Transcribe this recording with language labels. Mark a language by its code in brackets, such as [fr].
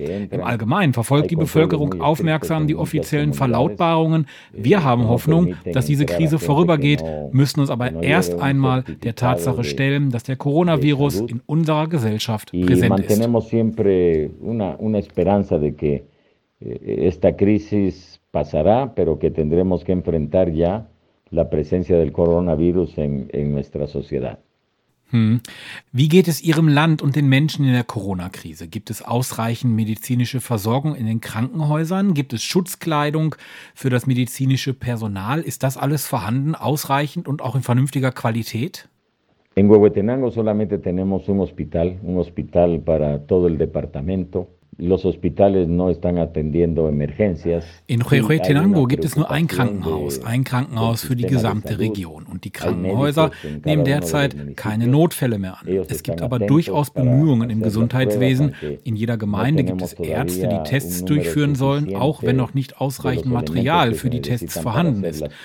[de] Im Allgemeinen verfolgt die Bevölkerung aufmerksam die offiziellen Verlautbarungen. Wir haben Hoffnung, dass diese Krise vorübergeht, müssen uns aber erst einmal der Tatsache stellen, dass der Coronavirus in unserer Gesellschaft präsent ist. [es] Esta crisis pasará, pero que tendremos que enfrentar ya la presencia del coronavirus en nuestra sociedad. [de] Wie geht es Ihrem Land und den Menschen in der Corona-Krise? Gibt es ausreichend medizinische Versorgung in den Krankenhäusern? Gibt es Schutzkleidung für das medizinische Personal? Ist das alles vorhanden, ausreichend und auch in vernünftiger Qualität? [es] En Huehuetenango solamente tenemos un hospital para todo el departamento. Los hospitales no están atendiendo emergencias. [de] In Huehuetenango gibt es nur ein Krankenhaus für die gesamte Region. Und die Krankenhäuser nehmen derzeit keine Notfälle mehr an. Es gibt aber durchaus Bemühungen im Gesundheitswesen. In jeder Gemeinde gibt es Ärzte, die Tests durchführen sollen, auch wenn noch nicht ausreichend Material für die Tests vorhanden ist.